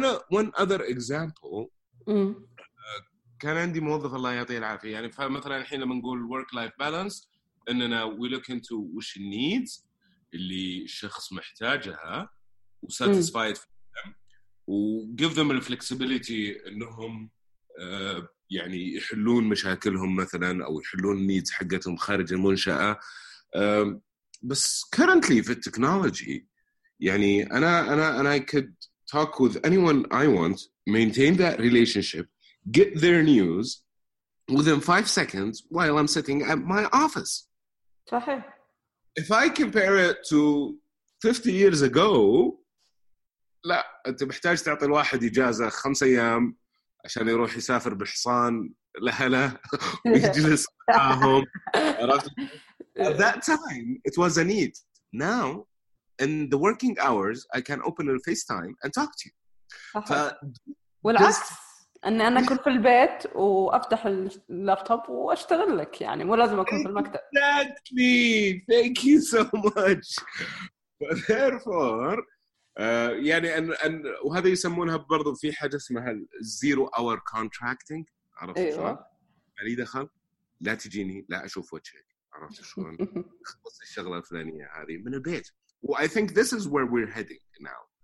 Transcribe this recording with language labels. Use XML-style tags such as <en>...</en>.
<ar>One other example, كان عندي موظف الله يعطيه العافية, يعني فمثلا الحين لما نقول work-life balance, إننا</ar> <en>we look into which needs</en> <ar>اللي الشخص محتاجها,</ar> <en>satisfy it for them, give them the flexibility</en> <ar>إنهم يعني يحلون مشاكلهم مثلا أو يحلون needs حقتهم خارج المنشأة. بس</ar> <en>currently في التكنولوجي</en> <ar>يعني أنا</ar> <en>I could talk with anyone I want, maintain that relationship, get their news within 5 seconds while I'm sitting at my office.</en> <ar>صحيح.</ar> <en>If I compare it to 50 years ago,</en> <ar>لا أنت محتاج تعطي الواحد إجازة 5 أيام عشان يروح يسافر بحصان لهلا ويجلس معهم.</ar> <en>At that time, it was a need. Now, in the working hours, I can open a FaceTime and talk to you.</en> <ar>والعكس, أني أنا أكون في البيت وأفتح اللابتوب وأشتغل لك, يعني مو لازم أكون في المكتب.</ar> <en>Exactly. Thank you so much. Therefore,</en> <ar>يعني and وهذا يسمونها برضو في حاجة اسمها zero-hour contracting. عرفت شو؟ علي دخل, لا تجيني, لا أشوف وجهك. عرفت شلون؟ خلص الشغلة الفلانية هذه من البيت.</ar> <en>Well, I think this is where we're heading now.</en>